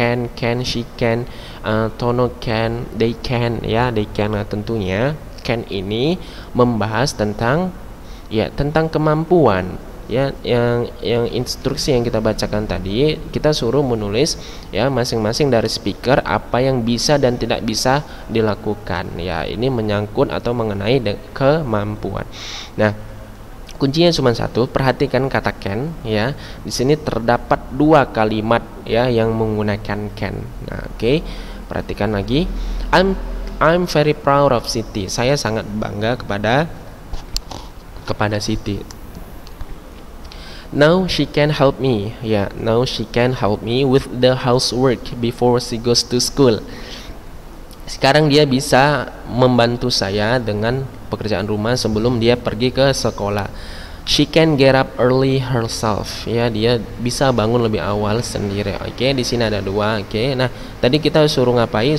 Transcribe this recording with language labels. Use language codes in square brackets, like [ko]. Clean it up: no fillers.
[en] Can, she can, Tono can, they can ya. They can lah [id] tentunya. Can ini membahas tentang ya, tentang kemampuan ya, yang instruksi yang kita bacakan tadi, kita suruh menulis ya masing-masing dari speaker apa yang bisa dan tidak bisa dilakukan ya. Ini menyangkut atau mengenai kemampuan. Nah, kuncinya cuma satu, perhatikan kata can ya. Di sini terdapat dua kalimat ya yang menggunakan can. Nah, oke. Perhatikan lagi. [en] I'm very proud of Siti. [id] Saya sangat bangga kepada Siti. [en] Now she can help me. Ya, yeah, now she can help me with the housework before she goes to school. [id] Sekarang dia bisa membantu saya dengan pekerjaan rumah sebelum dia pergi ke sekolah. [en] She can get up early herself. [id] Ya, dia bisa bangun lebih awal sendiri. Oke, di sini ada dua. Oke, nah tadi kita suruh ngapain?